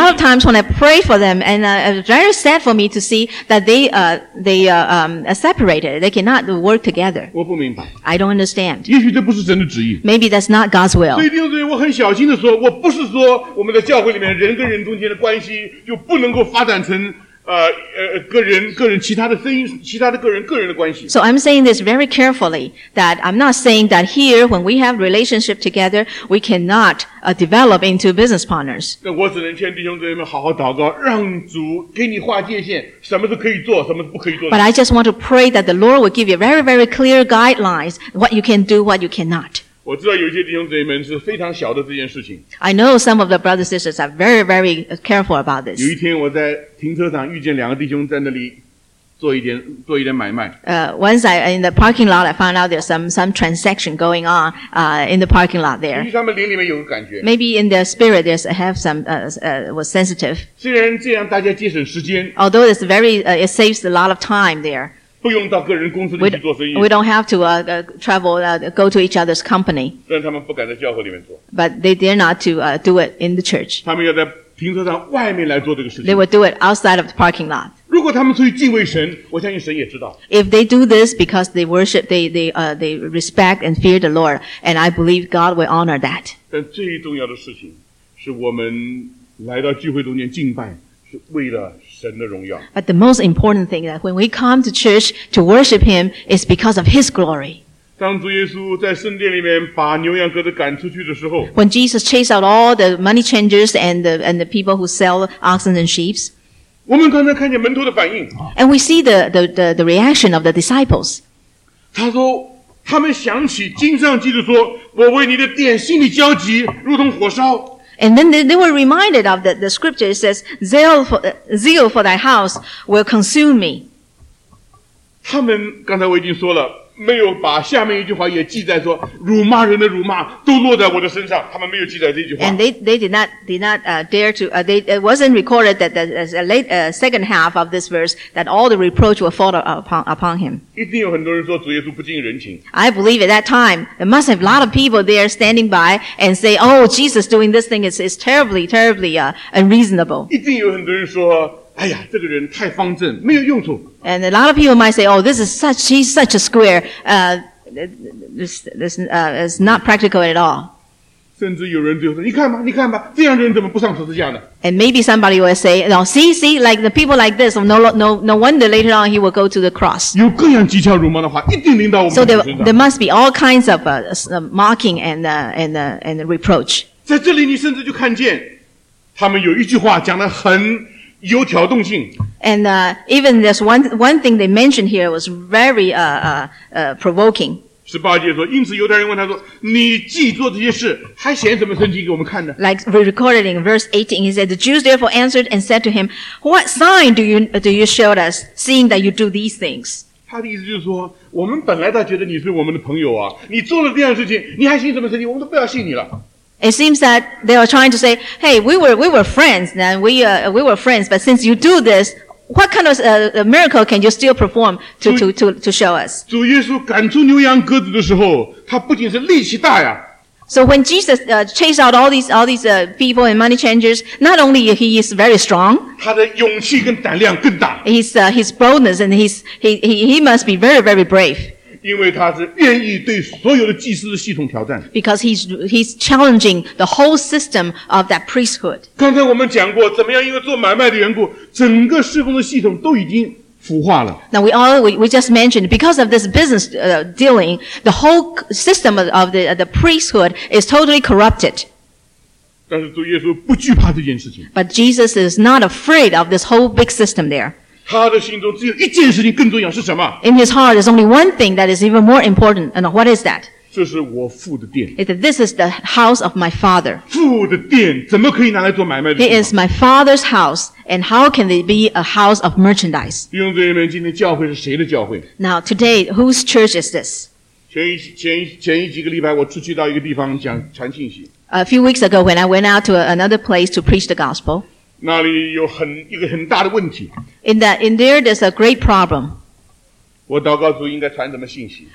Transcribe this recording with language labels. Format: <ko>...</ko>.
<en>A lot of times when I pray for them, and it's very sad for me to see that they separated. They cannot work together.</en> <zh>我不明白。</zh> <en>I don't understand.</en> <zh>也许这不是神的旨意。</zh> <en>Maybe that's not God's will.</en> <zh>所以弟兄姊妹，我很小心的说，我不是说我们的教会里面人跟人中间的关系就不能够发展成。个人的关系。</zh> <en>So I'm saying this very carefully that I'm not saying that here when we have relationship together, we cannot develop into business partners.</en> <zh>我只能劝弟兄姊妹们好好祷告，让主给你划界限，什么是可以做，什么是不可以做的。</zh> <en>But I just want to pray that the Lord will give you very, very clear guidelines what you can do, what you cannot.</en> <zh>我知道有些弟兄姊妹们是非常小的这件事情。</zh> <en>I know some of the brothers and sisters are very, very careful about this.</en> <zh>有一天我在停车场遇见两个弟兄在那里做一点买卖。</zh> <en>Once I in the parking lot, I found out there's some transaction going on in the parking lot there.</en> <zh>也许他们灵里面有个感觉。</zh> <en>Maybe in their spirit, there's have some was sensitive.</en> <zh>虽然这样大家节省时间。</zh> <en>Although it's very, it saves a lot of time there.</en> <zh>不用到个人公司里去做生意。</zh> <en>We don't have to travel, go to each other's company.</en> <zh>但他们不敢在教会里面做。</zh> <en>But they dare not to do it in the church.</en> <zh>他们要在停车场外面来做这个事情。</zh> <en>They will do it outside of the parking lot.</en> <zh>如果他们出去敬畏神，我相信神也知道。</zh> <en>If they do this because they worship, they respect and fear the Lord, and I believe God will honor that.</en> <zh>但最重要的事情是我们来到聚会中间敬拜，是为了神的荣耀。</zh> <en>But the most important thing that when we come to church to worship Him is because of His glory.</en> <zh>当主耶稣在圣殿里面把牛羊鸽子赶出去的时候</zh> <en>，When Jesus chased out all the money changers and the people who sell oxen and sheep,</en> <zh>我们刚才看见门徒的反应</zh> <en>，And we see the reaction of the disciples.</en> <zh>他说，他们想起经上记着说，我为你的殿心里焦急，如同火烧。</zh> <en>And then they were reminded of the scripture. It says, zeal for thy house will consume me.</en> <zh>他们刚才我已经说了。没有把下面一句话也记载说辱骂人的辱骂都落在我的身上他们没有记载这句话</zh> <en>And they did not dare to they, it wasn't recorded that the late, second half of this verse that all the reproach will fall upon him</en> <zh>一定有很多人说主耶稣不近人情</zh> <en>I believe at that time there must have a lot of people there standing by and say oh Jesus doing this thing is terribly unreasonable</en> <zh>一定有很多人说哎呀这个人太方正没有用处</zh> <en>And a lot of people might say, oh, this is such, he's such a square, it's not practical at all.</en> <zh>甚至有人就说你看吧你看吧这样的人怎么不上十字架呢</zh> <en>And maybe somebody will say, no, see, like the people like this, no wonder later on he will go to the cross.</en> <zh>有各样讥诮辱骂的话一定临到我们身上</zh> <en>So there must be all kinds of mocking and reproach.</en> <zh>在这里你甚至就看见他们有一句话讲得很有挑动性</zh> <en>And even this one thing they mentioned here was very provoking.</en> <zh>十八节说，因此犹太人问他说：“你既做这些事，还显什么神迹给我们看呢</zh> <en>？”Like we recorded in verse 18, he said, "The Jews therefore answered and said to him, 'What sign do you show us, seeing that you do these things?'"</en> <zh>他的意思就是说，我们本来倒觉得你是我们的朋友啊，你做了这样的事情，你还信什么神迹？我们都不要信你了。</zh> <en>It seems that they are trying to say, hey, we were friends, man. We were friends, but since you do this, what kind of miracle can you still perform to show us?</en> <zh>主耶稣赶出牛羊鸽子的时候，他不仅是力气大呀。</zh> <en>So when Jesus chased out all these people and money changers, not only he is very strong,</en> <zh>他的勇气跟胆量更大。</zh> <en>His boldness and he must be very, very brave.</en> <zh>因为他是愿意对所有的祭司的系统挑战。</zh> <en>Because he's challenging the whole system of that priesthood.</en> <zh>刚才我们讲过，怎么样？因为做买卖的缘故，整个侍奉的系统都已经腐化了。</zh> <en>Now we just mentioned because of this business dealing, the whole system of the priesthood is totally corrupted.</en> <zh>但是主耶稣不惧怕这件事情。</zh> <en>But Jesus is not afraid of this whole big system there.</en> <zh>他的心中只有一件事情更重要是什么</zh> <en>？In his heart, there's only one thing that is even more important. And what is that?</en> <zh>这是我父的殿。</zh> <en>This is the house of my father.</en> <zh>父的殿怎么可以拿来做买卖的</zh> <en>？It is my father's house, and how can it be a house of merchandise?</en> <zh>弟兄姊妹们，今天教会是谁的教会</zh> <en>？Now today, whose church is this?</en> <zh>前一几个礼拜，我出去到一个地方讲传信息。</zh> <en>A few weeks ago, when I went out to another place to preach the gospel.</en> <zh>那里有一个很大的问题。</zh> <en>In there, there's a great problem.</en> <zh>我祷告主应该传什么信息。</zh>